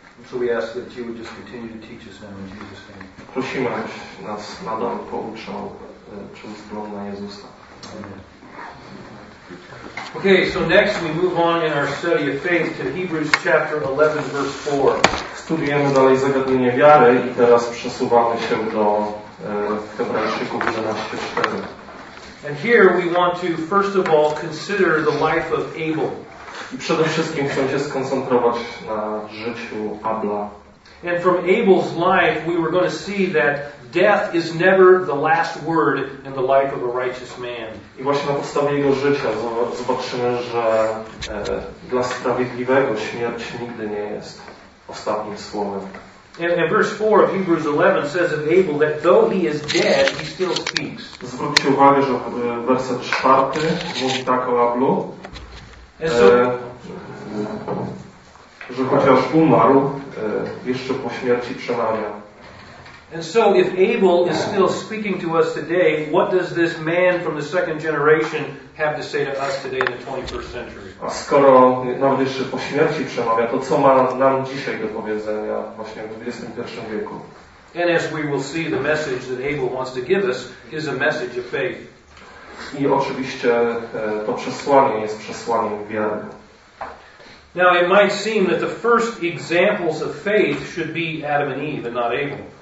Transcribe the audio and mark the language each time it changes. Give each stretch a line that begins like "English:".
English: So we ask that you would just continue to teach us now in Jesus' name.
Polish: Prosimy, abyś nas nadal pouczał przez wzgląd na Jezusa.
English: Okay, so next we move on in our study of faith to Hebrews chapter 11, verse 4.
Polish: Studiujemy dalej zagadnienie wiary i teraz przesuwamy się do Hebrajczyków 11:4.
English: And here we want to first of all consider the life of Abel.
Polish: I przede wszystkim chcę się skoncentrować na życiu Abla.
English: And from Abel's life we were going to see that death is never the last word in the life of a righteous man.
Polish: I właśnie na podstawie jego życia zobaczymy, że dla sprawiedliwego śmierć nigdy nie jest ostatnim słowem.
English: And verse 4 of Hebrews 11 says of Abel that though he is dead, he still speaks.
Polish: Zwróćcie uwagę, że werset 4 mówi tak o Ablu. Że chociaż umarł, jeszcze po śmierci przemawia.
English: And so if Abel is still speaking to us today, what does this man from the second generation have to say to us today in the 21st century?
Polish: A skoro nawet jeszcze po śmierci przemawia, to co ma nam dzisiaj do powiedzenia właśnie w 21 wieku?
English: And as we will see, the message that Abel wants to give us is a message of faith.
Polish: I oczywiście to przesłanie jest przesłaniem wiary.
English: Now it might seem that the first examples of faith should be Adam and Eve and not Abel.